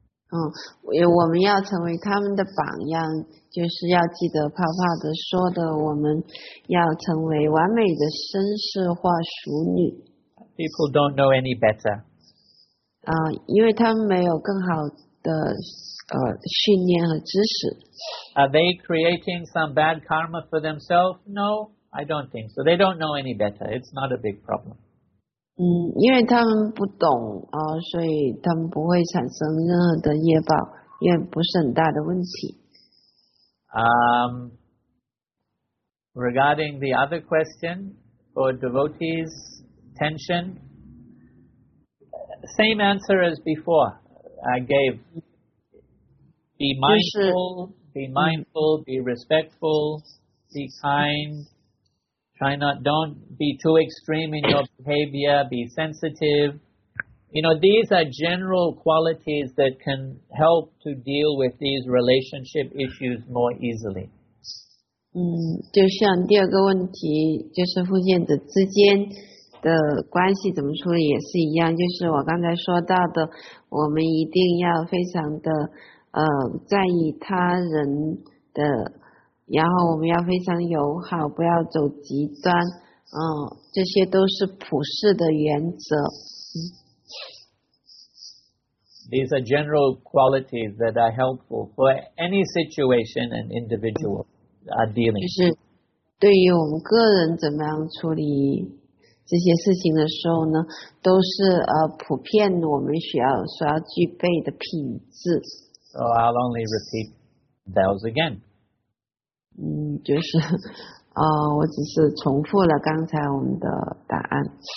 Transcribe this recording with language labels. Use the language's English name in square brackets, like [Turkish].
[Chinese] 我们要成为他们的榜样，就是要记得Prabhupada说的，我们要成为完美的绅士或淑女。 [English] People don't know any better. [Chinese] 因为他们没有更好的训练和知识。 [English] Are they creating some bad karma for themselves? No. I don't think so. They don't know any better. It's not a big problem. [Chinese] 因为他们不懂所以他们不会产生任何的业报，也不是很大的问题。 [English] Regarding the other question for devotees' tension, same answer as before I gave. Be mindful, be mindful, be respectful, be kind. Don't be too extreme in your behavior, be sensitive. You know, these are general qualities that can help to deal with these relationship issues more easily. [Chinese] 就像第二个问题，就是奉献者之间的关系怎么处理也是一样，就是我刚才说到的，我们一定要非常的在意他人的，然后我们要非常友好，不要走极端，这些都是普世的原则。 [English] These are general qualities that are helpful for any situation an individual are dealing with. [Chinese] 就是对于我们个人怎么样处理这些事情的时候呢，都是普遍我们需要具备的品质。 [English] So I'll only repeat those again. [Chinese] 就是我只是重复了刚才我们的答案。